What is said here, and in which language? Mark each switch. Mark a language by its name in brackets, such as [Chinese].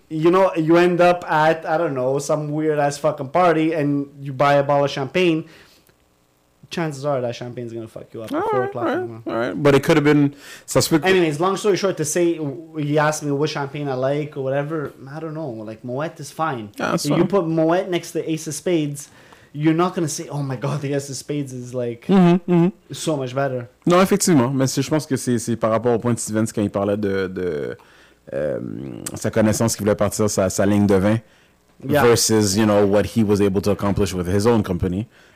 [English] You know, you end up at, I don't know, some weird-ass fucking party, and you buy a bottle of champagne, chances are that champagne's going to fuck you up at 4 right, o'clock. All right, but it could have been suspect. Anyways, long story short, to say, you asked me what champagne I like or whatever, I don't know, like, Moët is fine. Yeah, if you put Moët next to Ace of Spades, you're not going to say, oh my God, the Ace of Spades is, like, so much better. [French] Non, effectivement, mais je pense que c'est par rapport au point de Stevens quand il parlait de... sa connaissance qu'il voulait partir sa ligne de vin [English] yeah. versus you know what he was able to accomplish with his own company